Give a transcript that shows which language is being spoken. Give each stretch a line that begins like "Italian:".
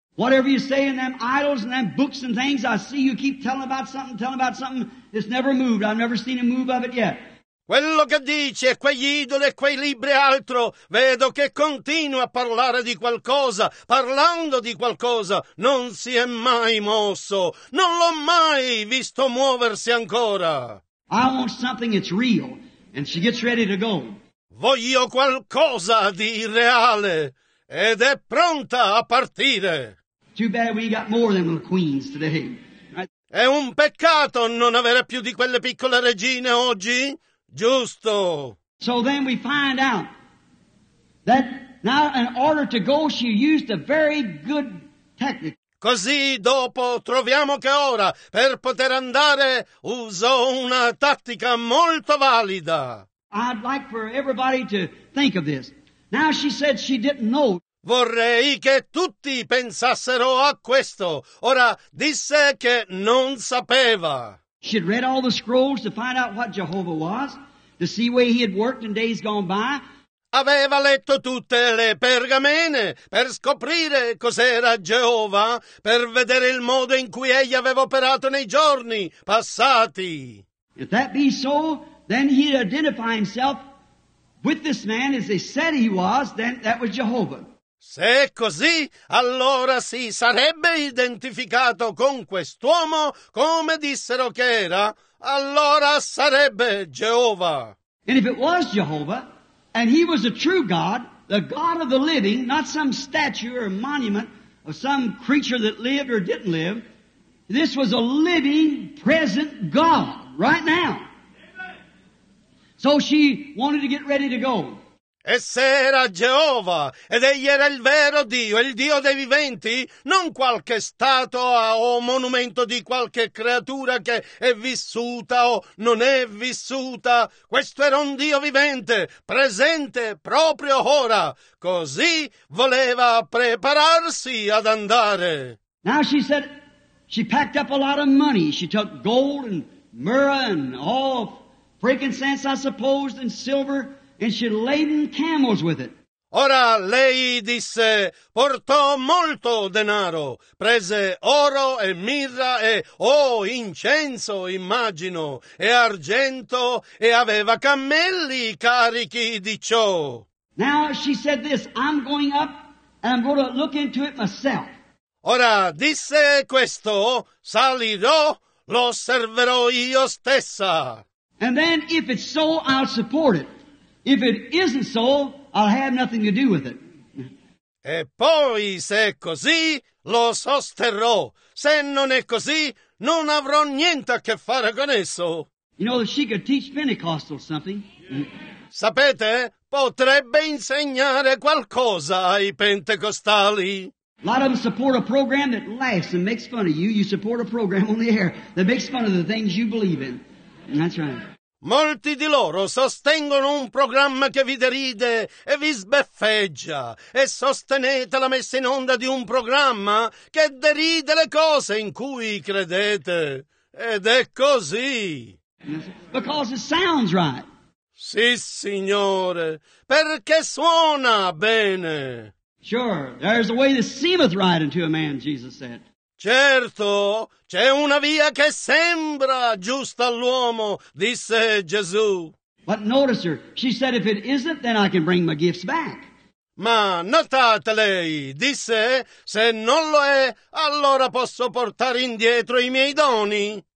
English: Whatever you say in them idols and them books and things, I see you keep telling about something, it's never moved, I've never seen a move of it yet.
Italian: Quello che dice, quegli idoli e quei libri e altro, vedo che continua a parlare di qualcosa, parlando di qualcosa, non si è mai mosso, non l'ho mai visto muoversi ancora.
English: I want something that's real. And she gets ready to go.
Italian: Voglio qualcosa di irreale ed è pronta a partire.
English: Too bad we got more than the queens today.
Italian: È un peccato non avere più di quelle piccole regine oggi, giusto?
English: So then we find out that now in order to go she used a very good technique.
Italian: Così dopo troviamo che ora, per poter andare, usò una tattica molto valida.
English: I'd like for everybody to think of this. Now she said she didn't know.
Italian: Vorrei che tutti pensassero a questo. Ora disse che non sapeva.
English: She'd read all the scrolls to find out what Jehovah was, to see where he had worked in days gone by.
Italian: Aveva letto tutte le pergamene per scoprire cos'era Geova, per vedere il modo in cui egli aveva operato nei giorni passati.
English: If that be so, then he'd identify himself with this man as they said he was, then that was Jehovah.
Italian: Se è così, allora si sarebbe identificato con quest'uomo come dissero che era, allora sarebbe Geova.
English: And if it was Jehovah, and he was a true God, the God of the living, not some statue or monument of some creature that lived or didn't live. This was a living, present God, right now. So she wanted to get ready to go.
Italian: E se era Geova, ed egli era il vero Dio, il Dio dei viventi, non qualche statua o monumento di qualche creatura che è vissuta o non è vissuta. Questo era un Dio vivente, presente proprio ora. Così voleva prepararsi ad andare.
English: Now she said she packed up a lot of money. She took gold and myrrh and all frankincense, I suppose, and silver. And she laden camels with it.
Italian: Ora lei disse, portò molto denaro, prese oro e mirra e, incenso, immagino, e argento, e aveva cammelli carichi di ciò.
English: Now she said this, I'm going up and I'm going to look into it myself.
Italian: Ora disse questo, salirò, lo osserverò io stessa.
English: And then if it's so, I'll support it. If it isn't so, I'll have nothing to do with it.
Italian: E poi, se è così, lo sosterrò. Se non è così, non avrò niente a che fare con esso.
English: You know, she could teach Pentecostals something.
Italian: Sapete, potrebbe insegnare qualcosa ai pentecostali.
English: A lot of them support a program that laughs and makes fun of you. You support a program on the air that makes fun of the things you believe in. And that's right.
Italian: Molti di loro sostengono un programma che vi deride e vi sbeffeggia e sostenete la messa in onda di un programma che deride le cose in cui credete. Ed è così.
English: Because it sounds right.
Italian: Sì, signore, perché suona bene.
English: Sure, there's a way that seemeth right unto a man, Jesus said.
Italian: Certo, c'è una via che sembra giusta all'uomo, disse Gesù.
English: But notice her, she said, if it isn't, then I can bring my gifts back. Ma notate lei, disse, se non lo è, allora posso portare indietro i miei doni.